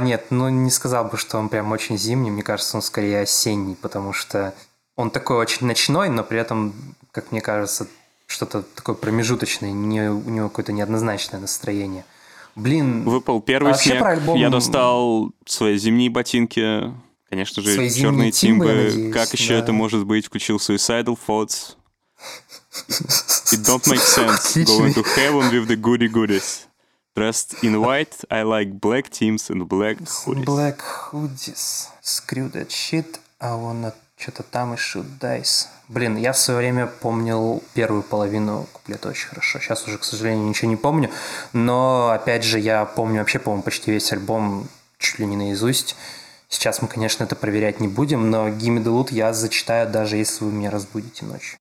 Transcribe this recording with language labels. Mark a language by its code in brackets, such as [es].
[ru] Нет, не сказал бы, что он прям очень зимний. Мне кажется, он скорее осенний, потому что он такой очень ночной, но при этом, как мне кажется, что-то такое промежуточное, у него какое-то неоднозначное настроение. Блин, выпал первый снег, альбом... я достал свои зимние ботинки, конечно же, черные тимбы, как еще это может быть, включил Suicidal Thoughts. [en] It don't make sense, going to heaven with the goody-goodies. Dressed in white, I like black tims and black hoodies. Black hoodies, screw that shit, I wanna [ru] что-то там [en] и shoot dice. [ru] Блин, я в свое время помнил первую половину куплета очень хорошо. Сейчас уже, к сожалению, ничего не помню. Но, опять же, я помню вообще, по-моему, почти весь альбом чуть ли не наизусть. Сейчас мы, конечно, это проверять не будем, но Gimme the Loot я зачитаю, даже если вы меня разбудите ночью.